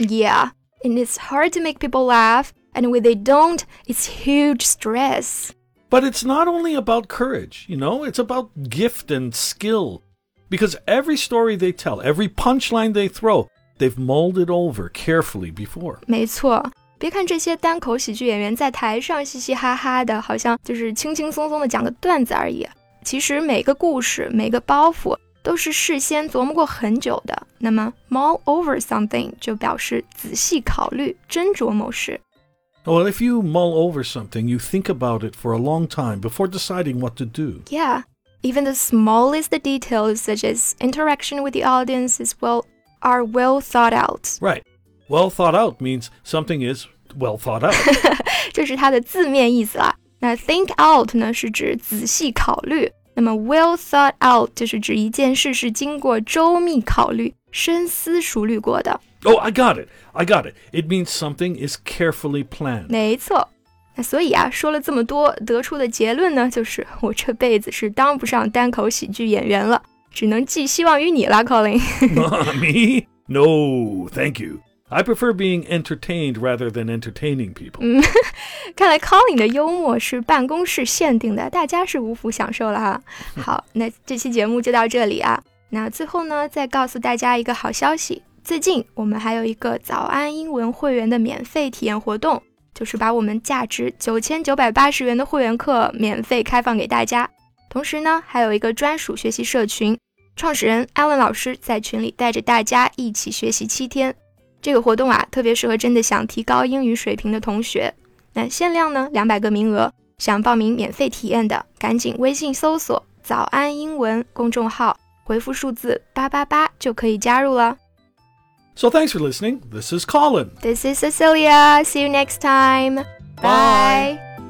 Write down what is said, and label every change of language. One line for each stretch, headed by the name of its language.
English: Yeah, and it's hard to make people laugh, and when they don't, it's huge stress. But it's not only about courage, you know, it's about gift and skill. Because every story they tell, every punchline they throw, they've molded over carefully before.
Chinese: 没错，别看这些单口喜剧演员在台上嘻嘻哈哈的，好像就是轻轻松松的讲个段子而已。其实每个故事，每个包袱都是事先琢磨过很久的。那么
English: mull over something
Chinese: 就表示仔细考虑、斟酌某事。
English: Well, if you mull over something, you think about it for a long time before deciding what to do. Yeah, even the smallest details such as interaction with the audience is well, are well thought out. Right. Well thought out means something is well thought out.
Chinese: 这是它的字面意思啦。那
English: think out
Chinese: 呢是指仔细考虑。那么
English: well thought out
Chinese: 就是指一件事是经过周密考虑、深思熟虑过的。
English: Oh, I got it. It means something is carefully planned.
Chinese: 没错。那所以啊，说了这么多，得出的结论呢，就是我这辈子是当不上单口喜剧演员了，只能寄希望于你了 ，Colin。
English: Me? No, thank you. I prefer being entertained rather than entertaining people.
Chinese: 看来 Colin 的幽默是办公室限定的，大家是无福享受了哈。好，那这期节目就到这里啊。那最后呢，再告诉大家一个好消息，最近我们还有一个早安英文会员的免费体验活动，就是把我们价值9980元的会员课免费开放给大家。同时呢，还有一个专属学习社群，创始人 Alan 老师在群里带着大家一起学习7天。这个活动啊，特别适合真的想提高英语水平的同学。那限量呢，200个名额，想报名免费体验的，赶紧微信搜索“早安英文”公众号，回复数字888就可以加入了。
English: So thanks for listening. This is Colin. This is Cecilia. See you next time. Bye. Bye.